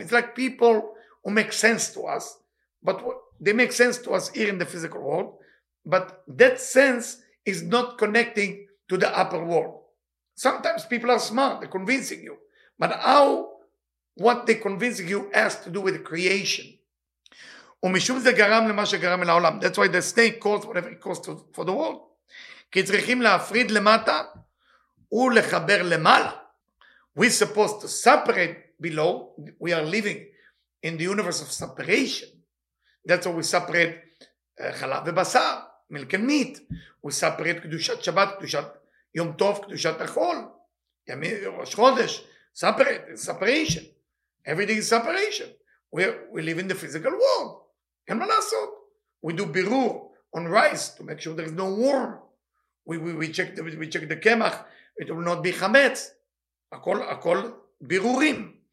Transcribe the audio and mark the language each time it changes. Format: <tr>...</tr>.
<en>It's like people who make sense to us, but what? They make sense to us here in the physical world, but that sense is not connecting to the upper world. Sometimes people are smart, they're convincing you. But how what they convinced you has to do with creation.</en> <he>ומשום זה גרם למה שגרם אל העולם.</he> <en>That's why the snake caused whatever it caused for the world.</en> <he>כי צריכים להפריד למטה ולחבר למעלה.</he> <en>We're supposed to separate below. We are living in the universe of separation. That's why we separate</en> <he>חלב ובשר,</he> <en>milk and meat. We separate</en> <he>קדושת שבת, קדושת יום טוב, קדושת החול, ימי ראש חודש.</he> <en>Separate, separation. Everything is separation. We live in the physical world. And what else? We do birur on rice to make sure there is no worm. We check the kemach. It will not be chametz.</en> <he>Akol birurim.</he>